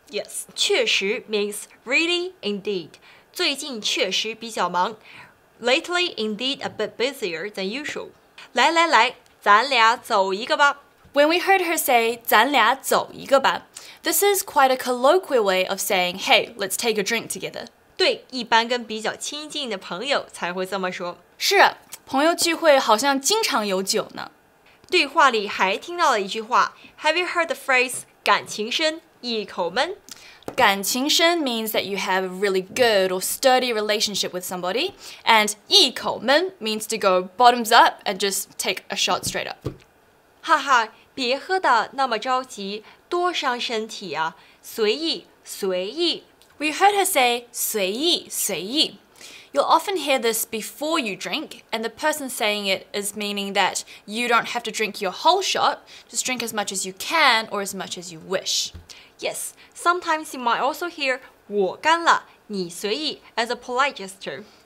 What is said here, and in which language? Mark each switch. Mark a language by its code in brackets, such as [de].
[en] Yes. 确实 means really, indeed. [zh] 最近确实比较忙. [en] Lately, indeed, a bit busier than usual. [zh] 来来来,咱俩走一个吧. [en] When we heard her say, [zh] 咱俩走一个吧, [en] this is quite a colloquial way of saying, hey, let's take a drink together. [zh] 对,一般跟比较亲近的朋友才会这么说. 是啊, 朋友聚会好像经常有酒呢。对话里还听到了一句话, [en] Have you heard the phrase, [zh] 感情深?一口闷。 [en] 感情深 means that you have a really good or sturdy relationship with somebody, and 一口闷 means to go bottoms up and just take a shot straight up. [zh] 哈哈，别喝得那么着急，多伤身体啊！随意，随意。 [en] We heard her say [zh] 随意，随意。 [en] You'll often hear this before you drink, and the person saying it is meaning that you don't have to drink your whole shot, just drink as much as you can or as much as you wish. Yes, sometimes you might also hear [zh] 我干了，你随意 [en] as a polite gesture.